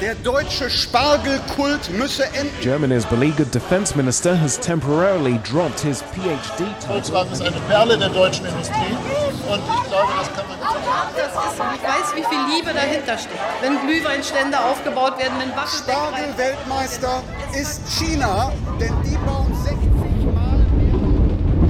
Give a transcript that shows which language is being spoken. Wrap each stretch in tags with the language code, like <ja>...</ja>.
<de>Der deutsche Spargelkult müsse enden.</de> <en>Germany's beleaguered defense minister has temporarily dropped his PhD title.</en> <de>Volkswagen ist eine Perle der deutschen Industrie. Und ich glaube, das kann man nicht sagen. Ich weiß, wie viel Liebe dahinter steckt. Wenn Glühweinstände aufgebaut werden, wenn Wachstum. Spargel-Weltmeister ist China, denn die bauen 60 Mal</de>